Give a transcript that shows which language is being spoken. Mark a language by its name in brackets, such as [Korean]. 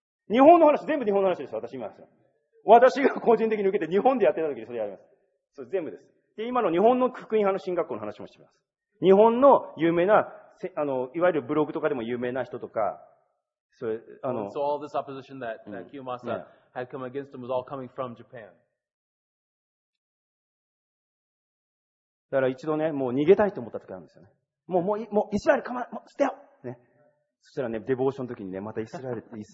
[Japanese] 日本の話、全部日本の話です。私今ですよ。私が個人的に受けて日本でやってた時にそれやります。それ全部です。で、今の日本の福音派の神学校の話もしてます。日本の有名な、いわゆるブログとかでも有名な人とか、それ、 [English] So all this opposition that Kiyomasa had come against him was all coming from Japan. [Japanese] だから一度ね、もう逃げたいと思った時なんですよね。もうイスラエル構わない、もう捨てよね。そしたらね、デボーションの時にね、またイスラエル、